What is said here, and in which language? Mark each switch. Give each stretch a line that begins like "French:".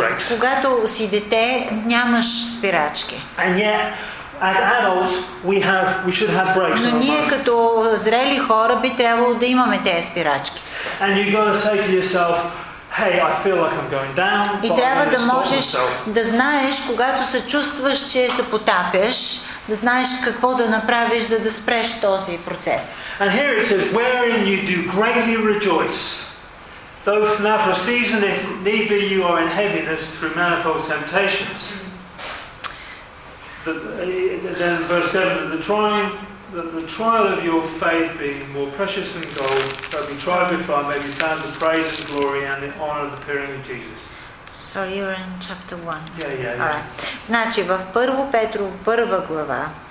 Bulgarian: Когато си дете, нямаш спирачки.
English: As adults, we should have brakes.
Bulgarian: Но ние като зрели хора би трябвало да имаме тези спирачки.
English: And you gotta say to yourself, "Hey, I feel like I'm going down."
Bulgarian: И трябва да можеш да знаеш, когато се чувстваш, че се потапяш, да знаеш какво да направиш, за да спреш този процес.
English: And here it says, "Wherein you do greatly rejoice." Though now for a season, if need be, you are in heaviness through manifold temptations. Then verse 7, the trial of your faith being more precious than gold, shall be tried with fire, may be found the praise, the glory, and the honor of the appearing of Jesus. Sorry, you're in chapter 1. Yeah. All right.
Bulgarian: Значи, в Първо Петро, първа глава,